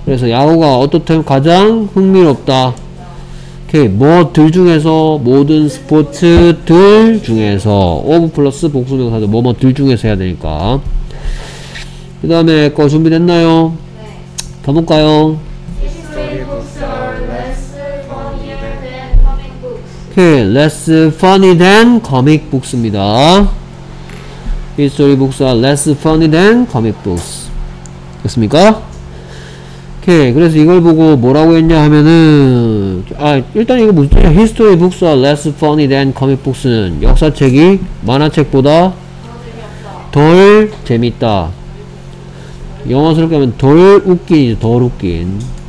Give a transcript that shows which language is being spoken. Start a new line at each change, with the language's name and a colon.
Korean: 그래서 야구가 어떻든 가장 흥미롭다. 오케이. 뭐들 중에서 모든 스포츠들 중에서 of 플러스 복수명사들 뭐뭐들 중에서 해야 되니까. 그 다음에 거 준비됐나요? 네. 가볼까요?
English: History books are less funny than comic books.
Korean: 오케이.
English: Less funny than comic books입니다. History books are less funny than comic books.
Korean: 됐습니까? 오케이. 그래서 이걸 보고 뭐라고 했냐 하면은 아 일단 이거 무슨 뜻이야?
English: History books are less funny than comic books는
Korean: 역사책이 만화책보다 덜 재밌다. 영어스럽게 하면 덜 웃긴이죠. 덜 웃긴.